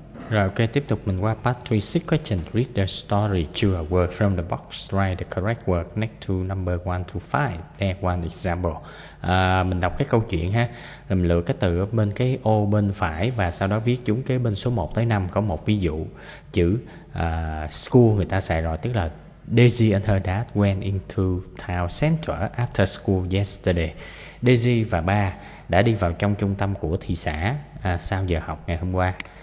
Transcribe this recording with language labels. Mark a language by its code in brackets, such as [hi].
[vi] Rồi ok, tiếp tục mình qua part 3, 6 question. [en] Read the story, choose a word from the box, write the correct word next to number 1 to 5, and one example. [vi] Mình đọc cái câu chuyện ha, rồi mình lựa cái từ ở bên cái ô bên phải và sau đó viết chúng cái bên số 1 tới 5. Có một ví dụ, chữ school người ta xài rồi, tức là [en] Daisy and her dad went into town center after school yesterday. [vi] Daisy và ba đã đi vào trong trung tâm của thị xã sau giờ học ngày hôm qua.